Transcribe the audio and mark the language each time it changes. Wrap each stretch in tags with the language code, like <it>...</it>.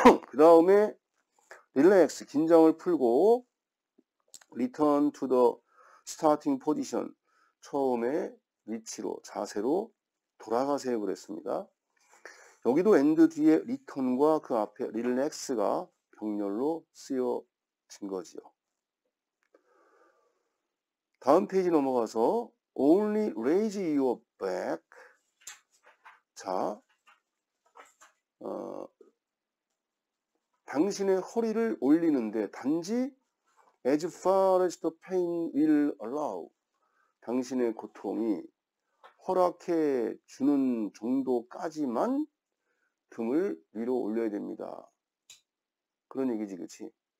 <ko>그 다음에 relax, 긴장을 풀고</ko> <en>return to the starting position,</en> <ko>처음에 위치로 자세로 돌아가세요 그랬습니다. 여기도 end 뒤에 return과 그 앞에 relax가 병렬로 쓰여진 거지요. 다음 페이지 넘어가서</ko> <en>only raise your back.</en> <ko>자, 당신의 허리를 올리는데 단지</ko> <en>as far as the pain will allow,</en> <ko>당신의 고통이 허락해 주는 정도까지만 등을 위로 올려야 됩니다. 그런 얘기지, 그치?</ko>